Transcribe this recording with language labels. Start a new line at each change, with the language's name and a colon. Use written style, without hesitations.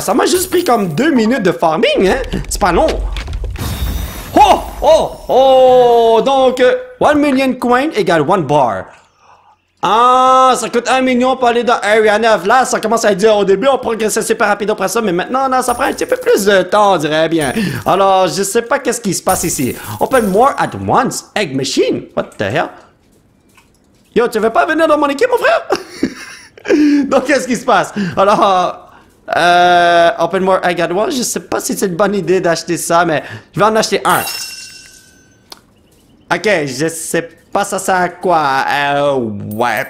French: Ça m'a juste pris comme 2 minutes de farming, hein? C'est pas long. Oh! Oh! Oh! Donc, 1 million coin égale 1 bar. Ah, ça coûte 1 million pour aller dans Arianeuf. Là, ça commence à dire au début, on progressait super rapide après ça, mais maintenant, non, ça prend un petit peu plus de temps, on dirait bien. Alors, je sais pas qu'est-ce qui se passe ici.
English: Open more at once, egg machine. What the hell?
French: Yo, tu veux pas venir dans mon équipe, mon frère? Donc, qu'est-ce qui se passe? Alors,
English: open more egg at once,
French: je sais pas si c'est une bonne idée d'acheter ça, mais je vais en acheter un. Ok, je sais pas. Pas ça sert à quoi? Ouais.